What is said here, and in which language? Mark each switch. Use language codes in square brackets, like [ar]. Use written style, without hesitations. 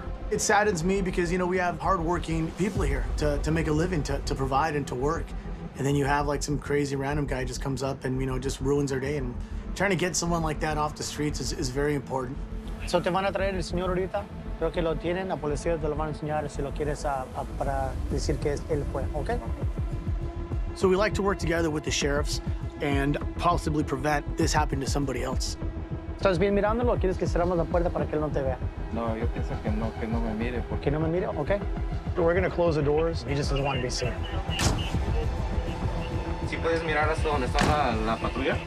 [en] It saddens me because, you know, we have hardworking people here to make a living, to provide and to work. And then you have like some crazy random guy just comes up and, you know, just ruins our day. And trying to get someone like that off the streets is very important. [es] So te van a traer el señor ahorita. Creo que lo tienen. La policía te lo van a enseñar si lo quieres para decir que él fue, okay? [en] So we like to work together with the sheriffs and possibly prevent this happening to somebody else. [es] ¿Estás bien mirándolo? ¿Quieres que cerramos la puerta para que él no te vea? No, yo pienso que no me mire. Que no me mire, okay. [en] So we're gonna close the doors. He just doesn't want to be seen. [es] ¿Sí puedes mirar hasta donde está la patrulla?